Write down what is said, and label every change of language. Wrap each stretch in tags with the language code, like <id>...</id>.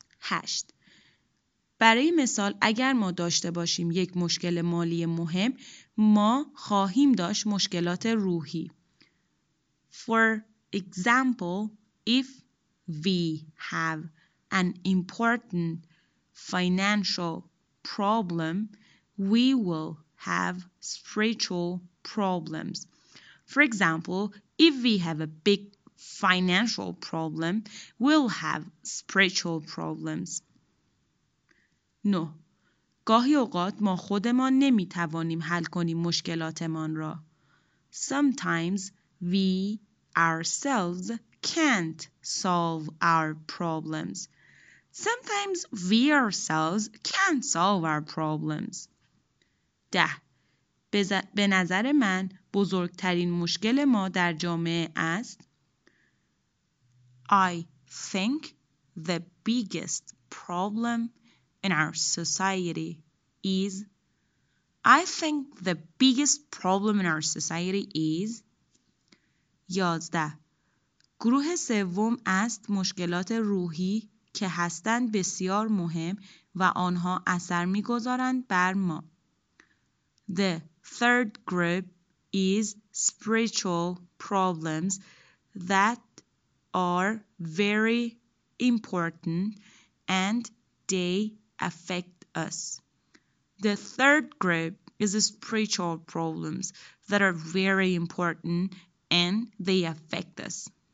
<fa>8. برای مثال اگر ما داشته باشیم یک مشکل مالی مهم، ما خواهیم داشت مشکلات روحی.</fa> <en>For example, if we have an important financial problem, we will have spiritual problems. For example, if we have a big financial problem, we'll have spiritual problems. 9.</en> <fa>گاهی اوقات ما خودمان نمی توانیم حل کنیم مشکلاتمان را.</fa> <en>Sometimes we ourselves can't solve our problems. Sometimes we ourselves can't solve our problems. 10.</en> <fa>به نظر من بزرگترین مشکل ما در جامعه است.</fa> <en>I think the biggest problem in our society is. I think the biggest problem in our society is. 11.</en> <fa>گروه سوم است مشکلات روحی که هستند بسیار مهم و آنها اثر می‌گذارند بر ما.</fa> <en>The third group is spiritual problems that are very important and they affect us. The third group is spiritual problems that are very important and they affect us.</en>